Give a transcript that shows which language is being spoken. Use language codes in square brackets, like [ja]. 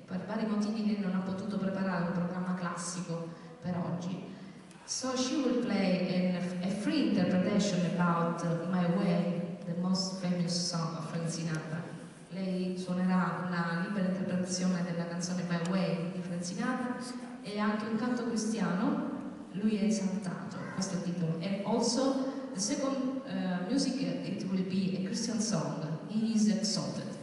[it] Per vari motivi lei non ha potuto preparare un programma classico per oggi. [en] So she will play a free interpretation about My Way, the most famous song of Frank Sinatra. [it] Lei suonerà una libera interpretazione della canzone My Way di Frank Sinatra e anche un canto cristiano, lui è esaltato, questo è il titolo. [en] And also the second music, it will be a Christian song, He is Exalted.